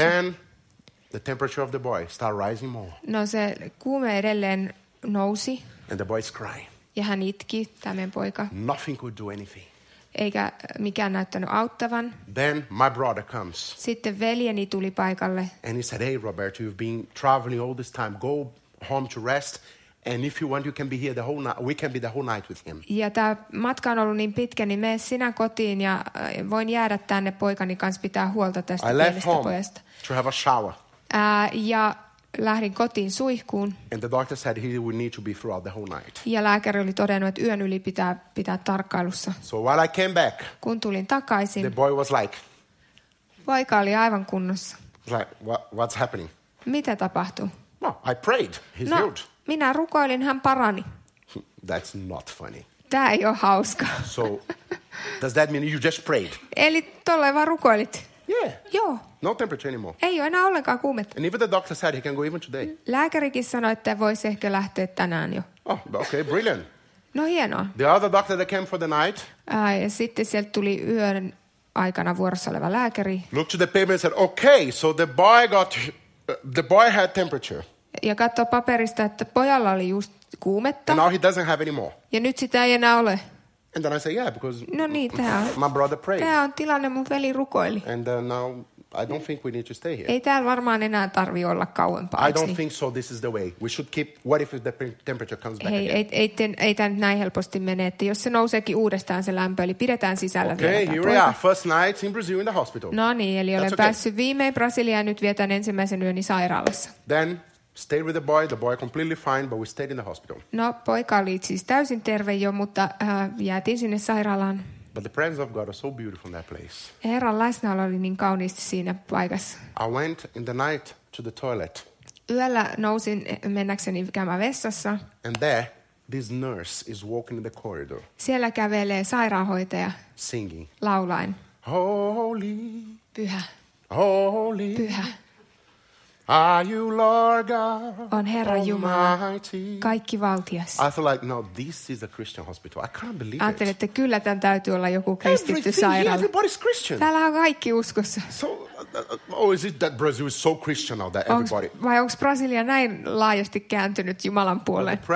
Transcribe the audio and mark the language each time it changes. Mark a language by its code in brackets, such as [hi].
[en] Then the temperature of the boy start rising more. [fi] No, se kuume edelleen nousi. [en] And the boy's crying. [fi] Ja hän itki, tämän poika. [en] Nothing could do anything. [fi] Eikä mikään näyttänyt auttavan. [en] Then my brother comes. [fi] Sitten veljeni tuli paikalle. [en] And he said, "Hey Roberto, you've been traveling all this time. Go home to rest. And if you want, you can be here the whole night. We can be the whole night with him." [fi] Ja tämä matka on ollut niin pitkä, niin mene sinä kotiin ja voin jäädä tänne poikani kanssa pitää huolta tästä pienestä pojasta. [en] To have a shower. [fi] Ja lähdin kotiin suihkuun. [en] And the doctor said he would need to be throughout the whole night. [fi] Ja lääkäri oli todennut, että yön yli pitää tarkkailussa. [en] So while I came back, [fi] kun tulin takaisin, [en] the boy was like, [fi] poika oli aivan kunnossa. [en] Like, what's happening? [fi] Mitä tapahtuu? [en] No, I prayed. He's healed. [fi] Minä rukoilin, hän parani. [en] That's not funny. [fi] Tää ei ole hauska. [en] So, does that mean you just prayed? [fi] Eli tolleen vaan rukoilit. [en] Yeah. [fi] Joo. [en] No temperature anymore. [fi] Ei ole enää ollenkaan kuumetta. [en] And even the doctor said he can go even today. [fi] Lääkärikin sanoi, että voisi ehkä lähteä tänään jo. [en] Oh, okay, brilliant. [fi] No hienoa. [en] The other doctor that came for the night. [fi] Ja sitten sieltä tuli yön aikana vuorossa oleva lääkäri. [en] Looked to the paper and said, okay, so the boy had temperature. [fi] Ja katsoo paperista, että pojalla oli just kuumetta. [en] And now he doesn't have any more. [fi] Ja nyt sitä ei enää ole. [en] And then I say, yeah, because [fi] no niin, [en] my brother prayed. [fi] Tämä on tilanne, mun veli rukoili. [en] And now I don't think we need to stay here. [fi] Ei täällä varmaan enää tarvi olla kauempaa. [en] I don't think so, this is the way. We should keep, what if the temperature comes back again? [fi] Ei tämä nyt näin helposti mene, että jos se nouseekin uudestaan se lämpö, eli pidetään sisällä [en] okay, [fi] vielä. [en] Okay, here we are, first night in Brazil in the hospital. [fi] No niin, eli olen okay. Päässyt viimein Brasiliaan, nyt vietän ensimmäisen yöni sairaalassa. [en] Then stayed with the boy completely fine, but we stayed in the hospital. [fi] No, poika oli siis täysin terve jo, mutta jäätiin sinne sairaalaan. [en] But the presence of God was so beautiful in that place. [fi] Herran läsnäolo oli niin kauniisti siinä paikassa. [en] I went in the night to the toilet. [fi] Yöllä nousin mennäkseni käymään vessassa. [en] And there, this nurse is walking in the corridor. [fi] Siellä kävelee sairaanhoitaja. [en] Singing. [fi] Laulain. [en] Holy. [fi] Pyhä. [en] Holy. [fi] Pyhä. [en] Are you Lord God? [fi] On Herra Jumala, kaikki valtias. [en] I feel like, no, this is a Christian hospital. I can't believe it. [fi] Ajattelin, että kyllä tämän täytyy olla joku kristitty sairaala. [en] Everybody's Christian. [fi] Täällä on kaikki uskossa. [en] So, is it that Brazil is so Christian now that everybody... [fi] Vai onko Brasilia näin laajasti kääntynyt Jumalan puoleen?